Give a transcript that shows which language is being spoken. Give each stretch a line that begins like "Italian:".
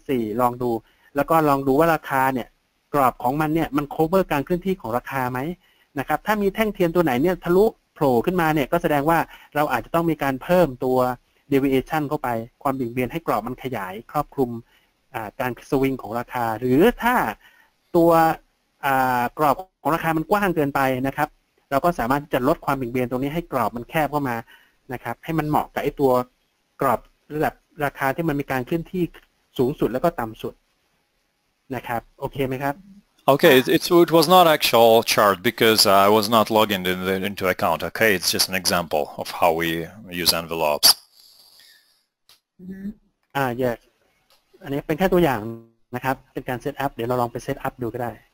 Thai: 0.4 ลองดูแล้วก็ลองดูว่าราคาเนี่ยกรอบของมันเนี่ยมันโคฟเวอร์การเคลื่อนที่ของราคามั้ยนะครับถ้ามีแท่งเทียนตัวไหนเนี่ยทะลุโผล่ขึ้นมาเนี่ยก็แสดงว่าเราอาจจะต้องมีการเพิ่มตัว deviation เข้าไปความเบี่ยงเบนให้กรอบมันขยายครอบคลุมการสวิงของราคาหรือถ้าตัว กรอบของราคามันกว้างเกินไปนะครับเราก็สามารถจะลดความเบี่ยงเบนตรงนี้ให้กรอบมันแคบเข้ามานะครับให้มันเหมาะกับไอ้ตัวกรอบระดับราคาที่มันมีการเคลื่อนที่สูงสุดแล้วก็ต่ำสุดนะครับโอเคไหมครับ
English: Okay, it was not actual chart because I was not logging into account. Okay, it's just an example of how we use envelopes. Yes.
Thai: อันนี้เป็นแค่ตัวอย่างนะครับเป็นการเซตอัพเดี๋ยวเราลองไปเซตอัพดูก็ได้